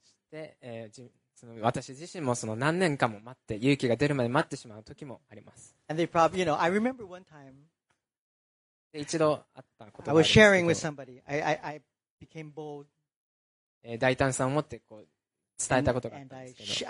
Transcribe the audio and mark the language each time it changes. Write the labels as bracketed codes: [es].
[ja] で、その私自身もその何年かも待って勇気が出るまで待ってしまう時もあります。 [en] And they probably, you know, I remember one time. [ja] で、一度あったことがあるんですけど。 [en] I was sharing with somebody. I became bold. [ja] 大胆さを持ってこう伝えたことがあったんですけど。